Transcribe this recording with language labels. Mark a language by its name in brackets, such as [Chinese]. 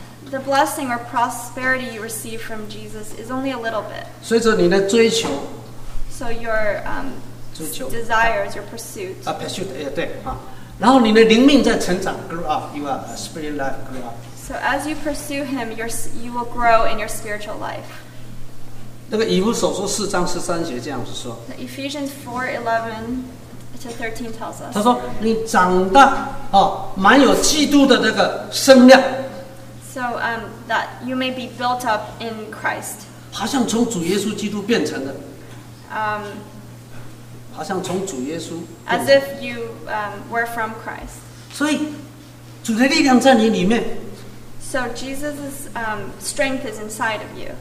[English] The blessing or prosperity you receive from Jesus is only a little bit. [Chinese] 随着你的追求。 [English] So your desires, your pursuits. Pursuit, yeah, [Chinese] 对啊。 然后你的灵命在成长 [English] ，grow up, you are a spirit life, grow up. So as you pursue Him, you will grow in your spiritual life. [Chinese] 那个以弗所说四章十三节这样子说。 [English] Ephesians 4:11-13 tells us. [Chinese] 他说你长大哦，蛮有基督的那个身量。 [English] So that you may be built up in Christ. [Chinese] 好像从主耶稣基督变成的。好像从主耶稣。 [English] As if you were from Christ. [Chinese] 所以，主的力量在你里面。 [English] So Jesus' strength is inside of you.